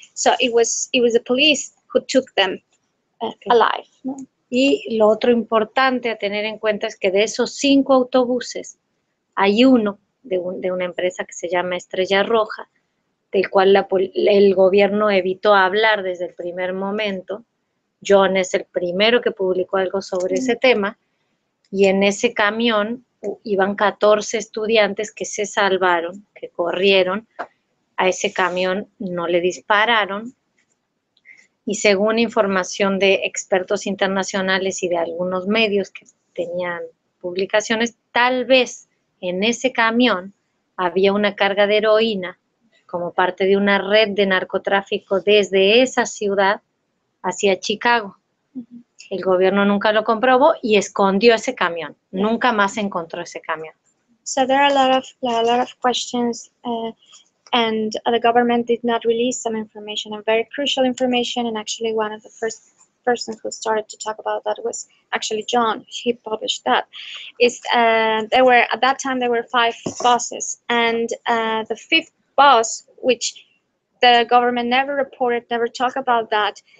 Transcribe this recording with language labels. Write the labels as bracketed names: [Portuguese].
[English] So it was the police who took them alive. [Spanish] Y lo otro importante a tener en cuenta es que de esos 5 autobuses hay uno de una empresa que se llama Estrella Roja, del cual el gobierno evitó hablar desde el primer momento. John es el primero que publicó algo sobre ese tema, y en ese camión iban 14 estudiantes que se salvaron, que corrieron, a ese camión no le dispararon, y según información de expertos internacionales y de algunos medios que tenían publicaciones, tal vez en ese camión había una carga de heroína como parte de una red de narcotráfico desde esa ciudad hacia Chicago. El gobierno nunca lo comprobó y escondió ese camión. Yeah. Nunca más encontró ese camión. [English] So there are a lot of questions, and the government did not release some information, and very crucial information. And actually, one of the first persons who started to talk about that was actually John. He published that. There were 5 buses, and the 5th bus, which the government never reported, never talked about that.